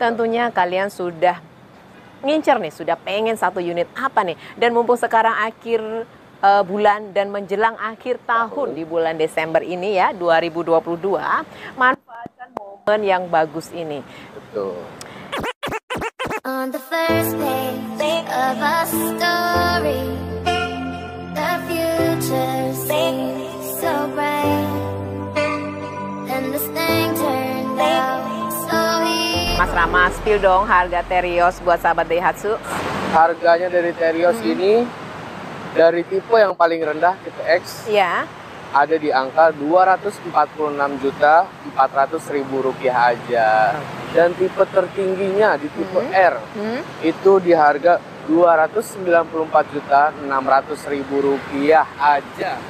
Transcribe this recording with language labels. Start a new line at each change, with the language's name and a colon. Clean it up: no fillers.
Indonesian: Tentunya kalian sudah ngincer nih, sudah pengen satu unit apa nih. Dan mumpung sekarang akhir bulan dan menjelang akhir tahun di bulan Desember ini ya, 2022, manfaatkan momen yang bagus ini. Betul.
English: On the first page of a story, the future's so bright, and this thing turned out so easy.
Indonesian: Mas Rama, spill dong harga Terios buat sahabat Daihatsu. Harganya dari Terios ini, dari tipe yang paling rendah, tipe X, ya, ada di angka Rp246.400.000 aja. Dan tipe tertingginya di tipe R, itu di harga Rp294.600.000 aja.